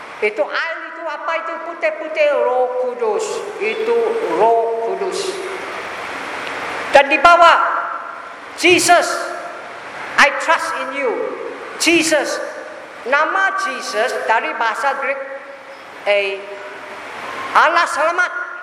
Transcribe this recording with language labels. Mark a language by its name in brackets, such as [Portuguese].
[Indonesian] Itu air itu apa itu putih-putih? Roh Kudus. Itu Roh Kudus. Dan di bawah, [English] Jesus, I trust in you. [Indonesian] Jesus, nama Jesus dari bahasa Greek, Allah selamat.